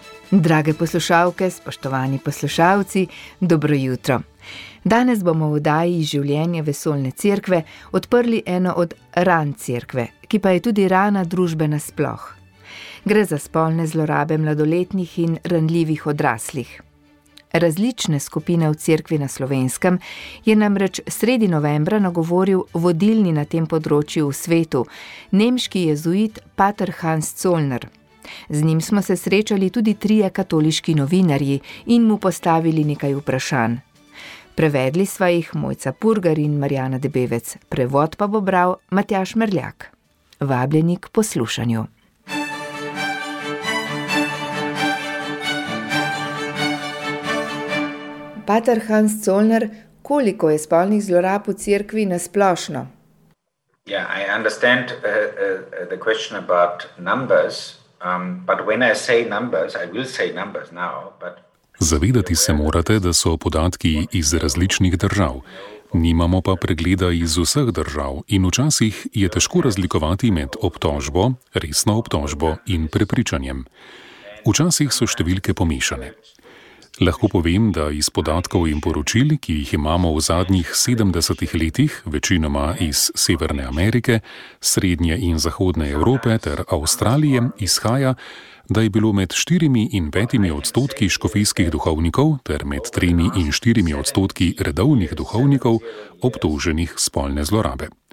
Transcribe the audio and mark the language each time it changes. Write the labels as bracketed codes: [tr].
[sl] Drage poslušalke, spoštovani poslušalci, dobro jutro. Danes bomo v oddaji Iz življenja vesoljne cerkve odprli eno od ran cerkve, ki pa je tudi rana družbe nasploh. Gre za spolne zlorabe mladoletnih in ranljivih odraslih. Različne skupine v cerkvi na Slovenskem je namreč sredi novembra nagovoril vodilni na tem področju v svetu, nemški jezuit Pater Hans Zollner. Z njim smo se srečali tudi trije katoliški novinarji in mu postavili nekaj vprašanj. Prevedli sva jih Mojca Purgar in Marjana Debevec, prevod pa bo bral Matjaž Merljak. Vabljeni k poslušanju. Pater Hans Zollner, koliko je spolnih zlorab v cerkvi na splošno? [en] Yeah, I understand the question about numbers, but when I say numbers, I will say numbers now, but [sl] zavedati se morate, da so podatki iz različnih držav. Nimamo pa pregleda iz vseh držav in včasih je težko razlikovati med obtožbo, resno obtožbo in prepričanjem. Včasih so številke pomešane. Lahko povem, da iz podatkov in poročil, ki jih imamo v zadnjih 70 letih, večinoma iz Severne Amerike, Srednje in Zahodne Evrope ter Avstralije, izhaja, da je bilo med 4 in 5% škofijskih duhovnikov ter med 3 in 4% redovnih duhovnikov obtoženih spolne zlorabe.